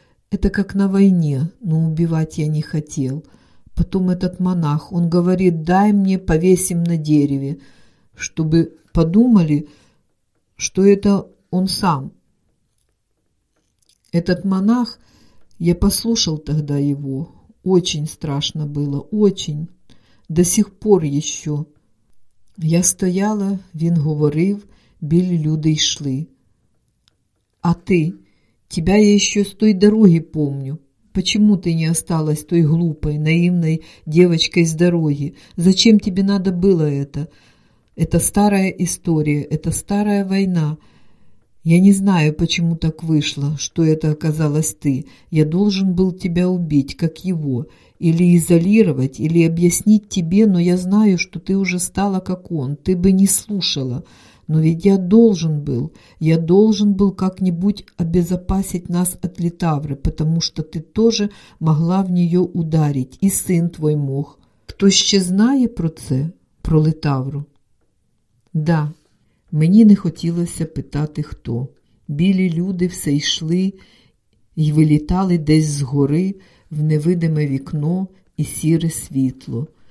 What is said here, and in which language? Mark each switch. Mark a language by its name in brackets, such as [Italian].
[Russian] Это как на войне, но убивать я не хотел. Потом этот монах, он говорит: «Дай мне, повесим на дереве, чтобы подумали, что это он сам». Этот монах, я послушал тогда его, очень страшно было, очень, до сих пор еще. [Ukrainian] Я стояла, він говорив, біль люди йшли. А ти? [Russian] Тебя я еще з той дороги помню. Почему ты не осталась той глупой, наивной девочкой с дороги? Зачем тебе надо было это? Это старая история, это старая война. Я не знаю, почему так вышло, что это оказалась ты. Я должен был тебя убить, как его, или изолировать, или объяснить тебе, но я знаю, что ты уже стала, как он. Ты бы не слушала. Но ведь я должен был как-нибудь обезопасить нас от Литавры, потому что ты тоже могла в нее ударить, и сын твой мог. [Ukrainian] Кто ще знає про це, про Литавру? Да. Мені не хотілося питати, хто. Білі люди все йшли і вилітали десь згори в невидиме вікно і сіре світло.